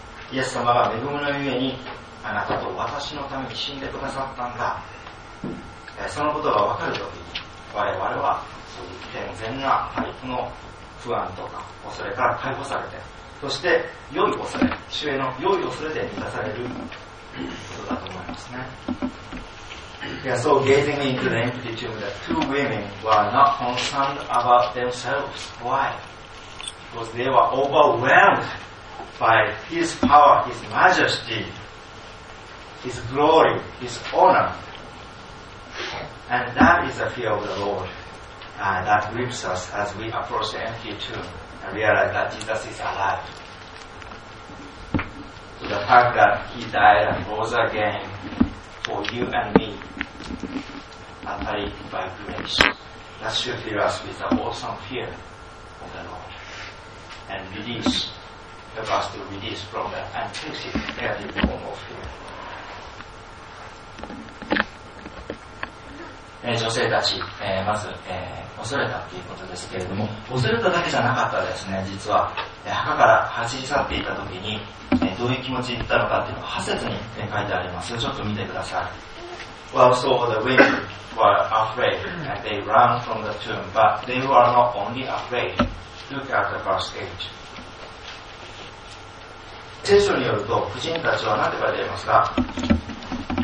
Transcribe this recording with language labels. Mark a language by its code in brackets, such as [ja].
[ja] イエス様が恵みのゆえにあなたと私のために死んでくださったんだ、そのことが分かるときに我々はそういう健全なタイプの不安とか恐れから解放されて、そして良い恐れ、主への良い恐れで満たされることだと思いますね。 [en] Yeah, So gazing into the empty tomb, the two women were not concerned about themselves. Why? Because they were overwhelmed by His power, His majesty, His glory, His honorAnd that is the fear of the Lord, that grips us as we approach the empty tomb and realize that Jesus is alive. So the fact that He died and rose again for you and me, apparently by grace, that should fill us with the awesome fear of the Lord and release, help us to release from the intrinsic form of fear. [ja] 女性たち、まず、恐れたということですけれども、恐れただけじゃなかったですね。実は墓から走り去っていった時に、どういう気持ちだったのかというのは8節に、書いてあります。ちょっと見てください。 [en] Well, so the women were afraid and they ran from the tomb, but they were not only afraid. Look at the verse 8. [ja] 聖書によると婦人たちは何て書いてありますか。